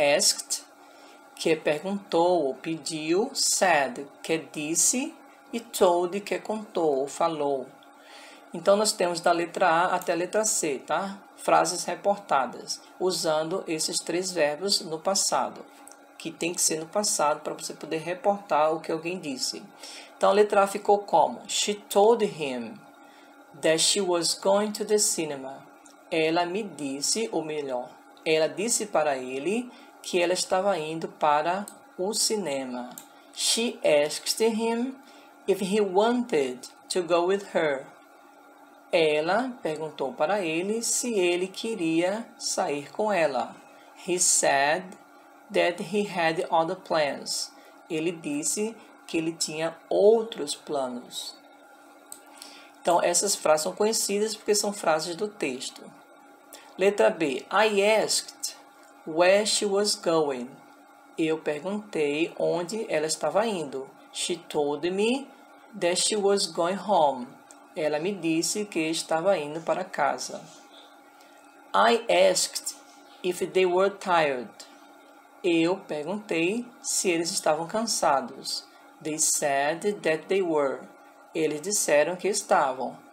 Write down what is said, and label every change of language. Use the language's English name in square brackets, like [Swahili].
[Portuguese] Asked, que é perguntou ou pediu, said, que é disse, e told, que é contou ou falou. Então, nós temos da letra A até a letra C, tá? Frases reportadas, usando esses três verbos no passado, que tem que ser no passado para você poder reportar o que alguém disse. Então, a letra A ficou como? [English] She told him that she was going to the cinema. [Portuguese] Ela me disse, ou melhor, ela disse para ele que ela estava indo para o cinema. [English] She asked him if he wanted to go with her. [Portuguese] Ela perguntou para ele se ele queria sair com ela. [English] He said that he had other plans. [Portuguese] Ele disse que ele tinha outros planos. Então, essas frases são conhecidas porque são frases do texto. Letra B. [English] I asked where she was going. [Portuguese] Eu perguntei onde ela estava indo. [English] She told me that she was going home. [Portuguese] Ela me disse que estava indo para casa. [English] I asked if they were tired. [Portuguese] Eu perguntei se eles estavam cansados. [English] They said that they were. [Portuguese] Eles disseram que estavam.